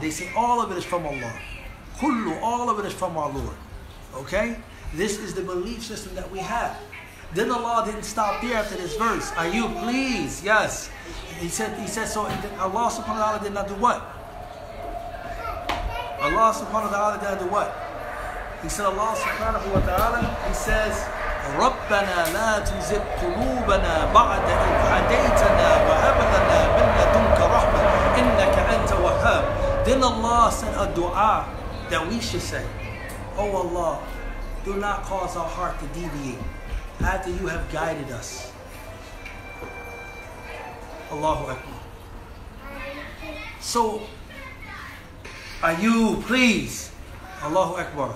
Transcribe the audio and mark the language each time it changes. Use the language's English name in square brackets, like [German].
[English] They say all of it is from Allah. Kullu, all of it is from our Lord. Okay? This is the belief system that we have. Then Allah didn't stop there after this verse. Are you pleased? Yes. He said so. And Allah subhanahu wa ta'ala did not do what? Allah subhanahu wa ta'ala did not do what? He said, Allah subhanahu wa ta'ala, He says, [Arabic] رَبَّنَا لَا تُزِبْ قُلُوبَنَا بَعْدَ إِذْ هَدَيْتَنَا وَهَبْلَنَا مِنْ لَدُنْكَ رَحْمَةً إِنَّكَ أَنْتَ وَهَّابٌ. [English] Then Allah sent a dua that we should say, Oh Allah, do not cause our heart to deviate after You have guided us. Allahu Akbar. So, are you pleased? Allahu Akbar.